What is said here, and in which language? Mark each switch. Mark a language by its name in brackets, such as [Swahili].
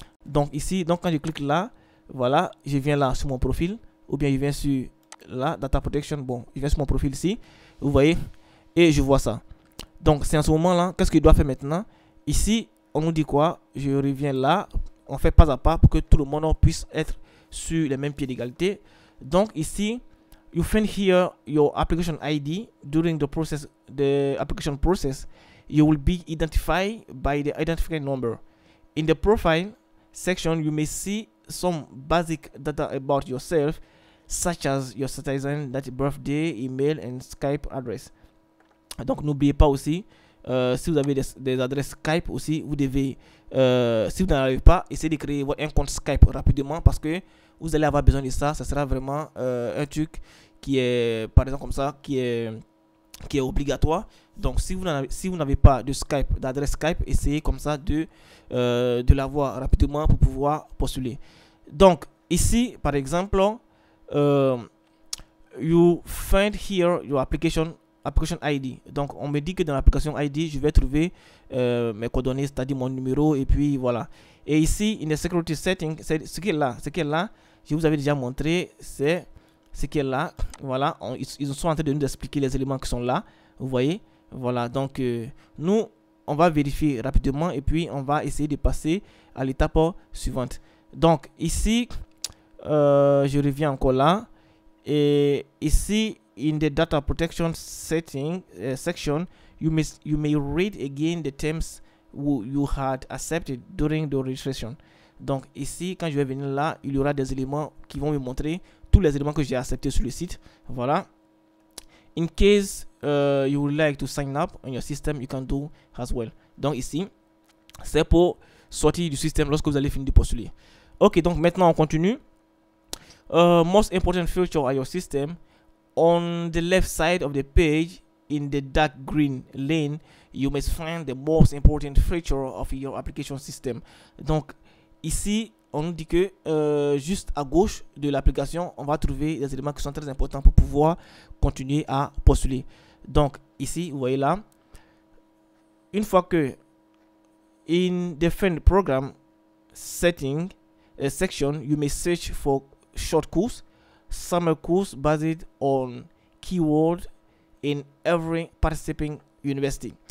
[French] Donc ici, donc quand je clique là, voilà, je viens là sur mon profil, ou bien je viens sur là, data protection, bon, je viens sur mon profil ici, vous voyez, et je vois ça. Donc c'est en ce moment là, qu'est-ce qu'il doit faire maintenant? Ici, on nous dit quoi? Je reviens là. On fait pas à pas pour que tout le monde puisse être sur les mêmes pieds d'égalité. Donc ici, [English] you find here your application ID during the application process. You will be identified by the identifying number. In the profile section, you may see some basic data about yourself, such as your citizen, date, birthday, email and Skype address. [French] Donc n'oubliez pas aussi. Si vous avez des adresses Skype aussi, vous devez, si vous n'en avez pas, essayez de créer un compte Skype rapidement parce que vous allez avoir besoin de ça. Ce sera vraiment un truc qui est, par exemple comme ça, qui est obligatoire. Donc si vous n'avez pas de Skype, d'adresse Skype, essayez comme ça de l'avoir rapidement pour pouvoir postuler. Donc ici, par exemple, [English] you find here your application ID. [French] Donc on me dit que dans l'application ID, je vais trouver mes coordonnées, c'est-à-dire mon numéro, et puis voilà. Et ici, [English] in the security setting, [French] c'est ce qui est là, je vous avais déjà montré, c'est ce qui est là, voilà. Ils sont en train de nous expliquer les éléments qui sont là, vous voyez, voilà. Donc nous, on va vérifier rapidement et puis on va essayer de passer à l'étape suivante. Donc ici, je reviens encore là, et ici, [English] in the data protection setting section, you may read again the terms you had accepted during the registration. [French] Donc ici, quand je vais venir là, il y aura des éléments qui vont me montrer tous les éléments que j'ai acceptés sur le site. Voilà. [English] In case you would like to sign up on your system, you can do as well. [French] Donc ici, c'est pour sorti du système lorsque vous allez finir de postuler. Ok, donc maintenant on continue. [English] Most important feature of your system, on the left side of the page in the dark green lane, you must find the most important feature of your application system. [French] Donc ici on nous dit que juste à gauche de l'application, on va trouver des éléments qui sont très importants pour pouvoir continuer à postuler. Donc ici, vous voyez là, une fois que [English] in the find program setting section, you may search for short course, summer course based on keyword in every participating university.